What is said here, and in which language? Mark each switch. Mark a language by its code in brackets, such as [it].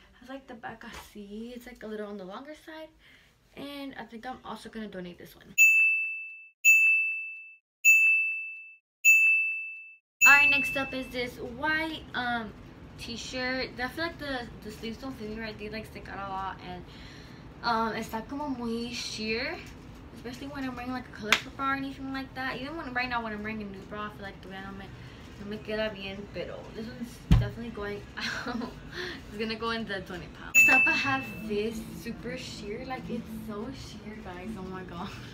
[en] I like the Becca C. It's like a little on the longer side. And I think I'm also going to donate this one. Alright, next up is this white t-shirt. I feel like the sleeves don't fit me right. They like stick out a lot. And it's like [es] como muy [en] sheer. Especially when I'm wearing like a colorful bra or anything like that. Even when right now when I'm wearing a new bra, I feel like the way I'm [es] no me queda bien, pero [en] this one's definitely going it's gonna go in the 20 pounds. Next up I have this super sheer, like it's so sheer guys, oh my god.